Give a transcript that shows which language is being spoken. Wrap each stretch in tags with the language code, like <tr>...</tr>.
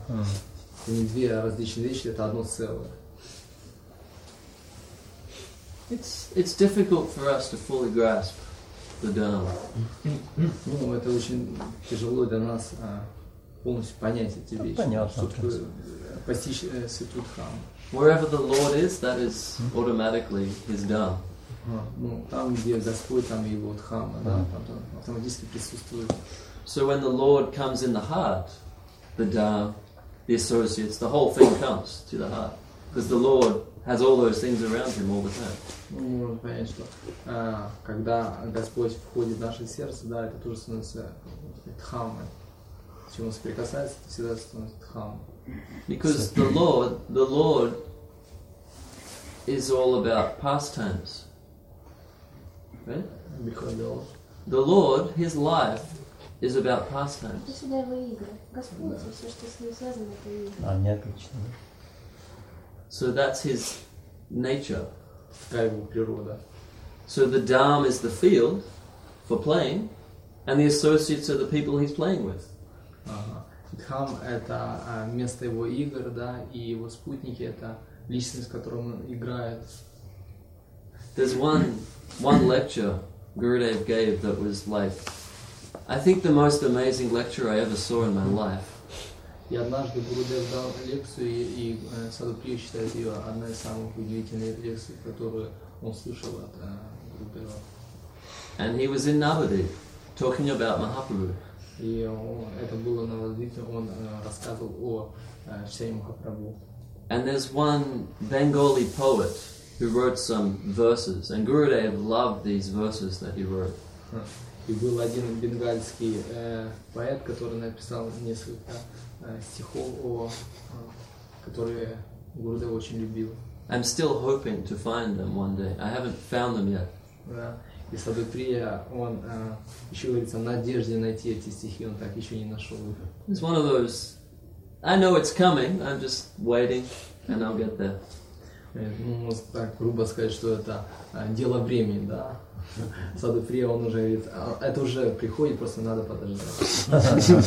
<ru>Это не две различные вещи, это одно целое.</ru> <en>It's difficult for us to fully grasp the Dhamma.</en> <ru>Ну, это очень тяжело для нас полностью понять эти вещи. Понятно. Постичь Святую Дхамму.</ru> <en>Wherever the Lord is, that is automatically His Dhamma.</en> <ru>Ну, там, где Господь, там и его Дхамма, да, там автоматически присутствует.</ru> <en>So when the Lord comes in the heart, the Dhamma, the associates, the whole thing comes to the heart, because the Lord has all those things around him all the time.</en> <ru>Ну, можно понять, что когда Господь входит в наше сердце, да, это тоже становится Дхаммой. Чем он соприкасается, это всегда становится Дхаммой.</ru> <en>Because the Lord is all about pastimes. Right? Because the Lord. The Lord, his life is about pastimes.</en> <ru>Это всегда его игры. Господь, yeah. Все, что с ним связано, это игры. А, не отлично.</ru> <en>So that's his nature.</en> <ru>Такая его природа.</ru> <en>So the Dham is the field for playing, and the associates are the people he's playing with.</en> <ru>Дхам – это место его игр, да, и его спутники – это личность, с которым он играет.</ru> <en>There's one lecture Gurudev gave that was like, I think the most amazing lecture I ever saw in my life.</en> <ru>И однажды Гурудев дал лекцию, и Садхуприя считает ее одной из самых удивительных лекций, которую он слышал от Гурудева.</ru> <en>And he was in Navadvip, talking about Mahaprabhu.</en> <ru>И это было на Навадвипе, он рассказывал о Чайтанье Махапрабху.</ru> <en>And there's one Bengali poet who wrote some verses, and Gurudev loved these verses that he wrote.</en> <ru>И был один бенгальский поэт, который написал несколько стихов, которые Гурудев очень любил.</ru> <en>I'm still hoping to find them one day. I haven't found them yet.</en> <ru>И Садхуприя, он еще говорится, в надежде найти эти стихи, он так еще не нашел их.</ru> <en>It's one of those, I know it's coming, I'm just waiting, and I'll get there.</en> <ru>Ну, можно так грубо сказать, что это дело времени, да? Садхуприя, он уже говорит, это уже приходит, просто надо подождать.</ru>